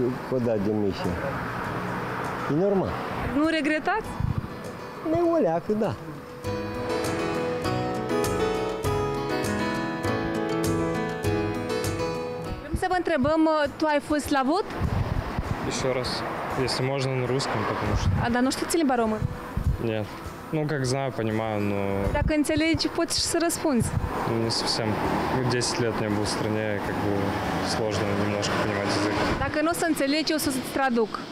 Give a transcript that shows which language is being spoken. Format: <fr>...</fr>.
<ro>Că a dat demisia. E normal. Nu regretați? Ne oleacă, da. Să vă întrebăm, tu ai fost la vot?</ro> <ru>Еще раз, если можно, на русском, потому что... А, да, ну</ru> <ro>știți limba română?</ro> <ru>Нет. Ну, как знаю, понимаю, но...</ru> <ro>Dacă înțelegi, poți și să răspunzi.</ro> <ru>Не совсем. 10 лет не был в стране, как бы сложно немножко понимать язык.</ru> <ro>Dacă nu o să înțelegi, o să-ți traduc.</ro>